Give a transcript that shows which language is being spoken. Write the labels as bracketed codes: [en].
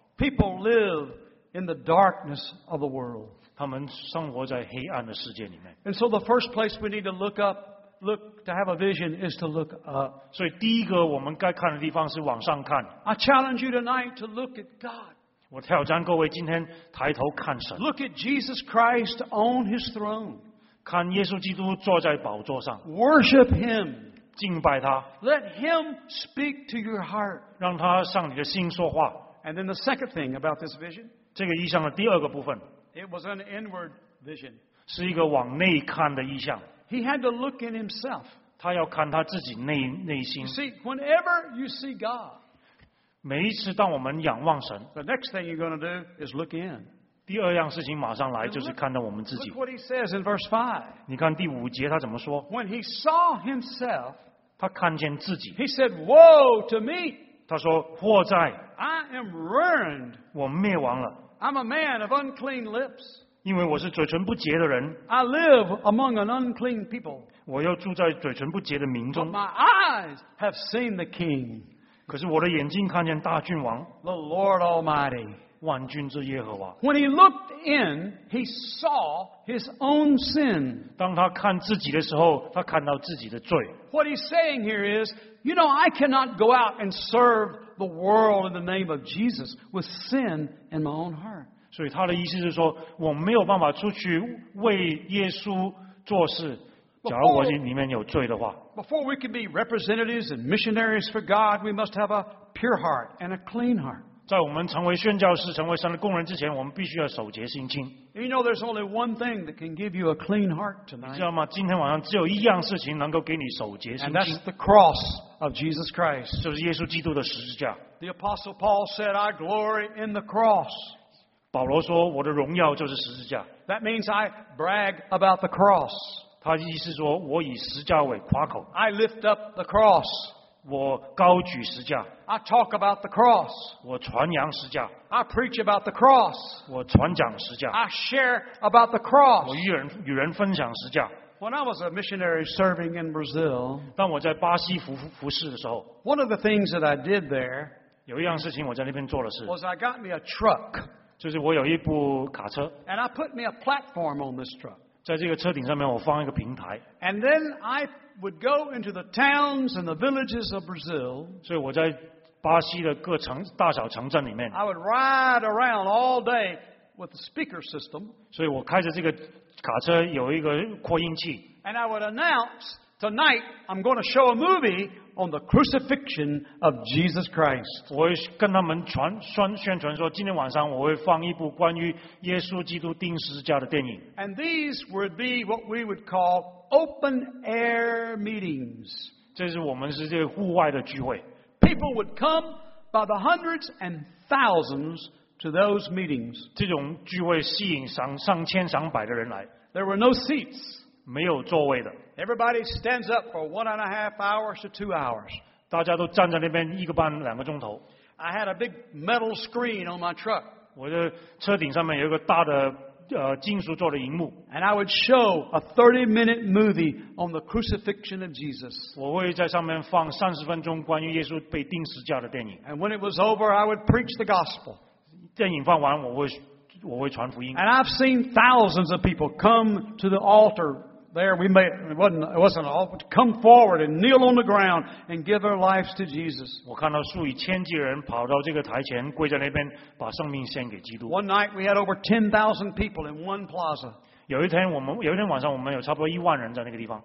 [en] People live in the darkness of the world. [zh] 他们生活在黑暗的世界里面。 [en] And so the first place we need to look to have a vision is to look up. [zh] 所以第一个我们该看的地方是往上看。 [en] I challenge you tonight to look at God. [zh] 我挑战各位今天抬头看神。 [en] Look at Jesus Christ on his throne. [zh] 看耶稣基督坐在宝座上 [en] ，Worship Him， [zh] 敬拜他 [en] ，Let Him speak to your heart， [zh] 让他向你的心说话。 [en] And then the second thing about this vision， [zh] 这个意象的第二个部分 [en] ，It was an inward vision， [zh] 是一个往内看的意象。 [en] He had to look in himself， [zh] 他要看他自己内心。 [en] You see, whenever you see God， [zh] 每一次当我们仰望神 [en] ，The next thing you're going to do is look in。 [zh] 第二样事情马上来就是看到我们自己。 [en] Look what he says in verse 5. [zh] 你看第五节他怎么说？ [en] When he saw himself, [zh] 他看见自己。 [en] He said, "Woe to me!" [zh] 他说祸在。 [en] I am ruined. [zh] 我灭亡了。 [en] I'm a man of unclean lips. [zh] 因为我是嘴唇不洁的人。 [en] I live among an unclean people. [zh] 我又住在嘴唇不洁的民众。 [en] But my eyes have seen the King. [zh] 可是我的眼睛看见大君王。 [en] The Lord Almighty. [zh] 万军之耶和华。 [en] When he looked in, he saw his own sin. [zh] 当他看自己的时候，他看到自己的罪。 [en] What he's saying here is, you know, I cannot go out and serve the world in the name of Jesus with sin in my own heart. [zh] 所以他的意思是说，我没有办法出去为耶稣做事。假如我里面有罪的话。 [en] Before we can be representatives and missionaries for God, we must have a pure heart and a clean heart. [zh] 在我们成为宣教士成为神的工人之前我们必须要守洁心清 [en] You know there's only one thing that can give you a clean heart tonight [zh] 你知道吗今天晚上只有一样事情能够给你守洁心清 [en] And that's the cross of Jesus Christ [zh] 就是耶稣基督的十字架 [en] The apostle Paul said I glory in the cross [zh] 保罗说我的荣耀就是十字架 [en] That means I brag about the cross [zh] 他意思说我以十字架为夸口 [en] I lift up the cross [zh] 我高举十字架 [en] I talk about the cross. [zh] 我传扬十字架。 [en] I preach about the cross. [zh] 我传讲十字架。 [en] I share about the cross. [zh] 我与人分享十字架。 [en] When I was a missionary serving in Brazil, [zh] 当我在巴西服侍的时候 [en] ，one of the things that I did there, [zh] 有一样事情我在那边做的事 [en] ，was I got me a truck. [zh] 就是我有一部卡车。 [en] And I put me a platform on this truck. [zh] 在这个车顶上面我放一个平台。 [en] And then I would go into the towns and the villages of Brazil. [zh] 所以我在巴西的各城大小城镇里面。 [en] I would ride around all day with the speaker system. [zh] 所以我开着这个卡车有一个扩音器。 [en] And I would announce tonight I'm going to show a movie on the crucifixion of Jesus Christ. [zh] 我会跟他们宣传说，今天晚上我会放一部关于耶稣基督钉十字架的电影。 [en] And these would be what we would call open air meetings. [zh] 这是我们是这户外的聚会。 [en] People would come by the hundreds and thousands to those meetings. [zh] 这种聚会吸引上千上百的人来。 [en] There were no seats. [zh] 没有座位的。 [en] Everybody stands up for 1.5 hours to 2 hours. [zh] 大家都站在那边一个半两个钟头。 [en] I had a big metal screen on my truck. [zh] 我的车顶上面有一个大的金属做的荧幕。 [en] And I would show a 30-minute movie on the crucifixion of Jesus. [zh] 我会在上面放30分钟关于耶稣被钉十字架的电影。 [en] And when it was over, I would preach the gospel. [zh] 电影放完，我会传福音。 [en] And I've seen thousands of people come to the altar. There, we made it wasn't an altar. Come forward and kneel on the ground and give their lives to Jesus. [zh] 我看到数以千计人跑到这个台前，跪在那边，把生命献给基督。 [en] One night we had over 10,000 people in one plaza. [zh] 有一天晚上，我们有差不多10,000人在那个地方。